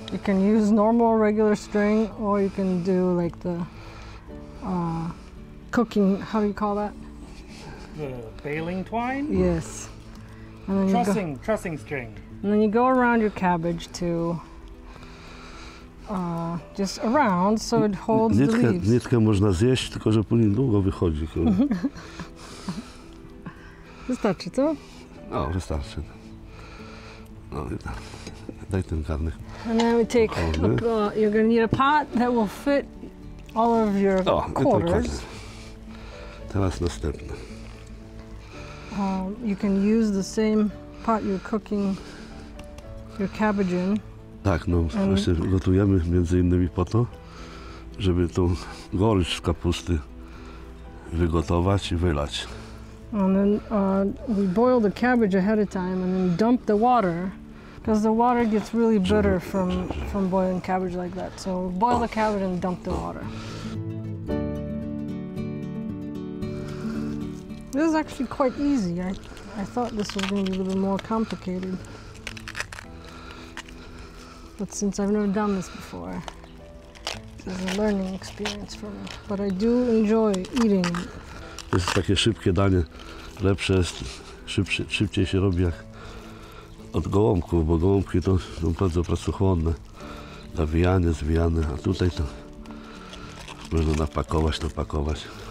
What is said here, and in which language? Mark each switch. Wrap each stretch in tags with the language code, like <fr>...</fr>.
<en>You can use normal, regular string, or you can do like the cooking. How do you call that? The baling twine. Yes. And then trussing. Trussing string. And then you go around your cabbage to just around, so it holds</en> <pl>nitkę,</pl> <en>the leaves.</en> <pl>Nitkę można zjeść, tylko że później długo wychodzi. Wystarczy, co? No, wystarczy. No, daj ten garnek.</pl> <en>And then we take, you're gonna need a pot that will fit all of your quarters.</en> <pl>Teraz następne.</pl> <en>You can use the same pot you're cooking your cabbage in.</en> <pl>Tak, no właśnie gotujemy między innymi po to, żeby tą gorycz z kapusty wygotować i wylać.</pl> <en>And then we boil the cabbage ahead of time and then dump the water. Because the water gets really bitter from boiling cabbage like that. So boil the cabbage and dump the water. This is actually quite easy. I thought this was going to be a little bit more complicated. But since I've never done this before, this is a learning experience for me. But I do enjoy eating.</en> <pl>To jest takie szybkie danie. Lepsze jest, szybciej się robi jak od gołąbków, bo gołąbki to są bardzo pracochłonne. Nawijane, zwijane, a tutaj to można napakować, napakować.</pl>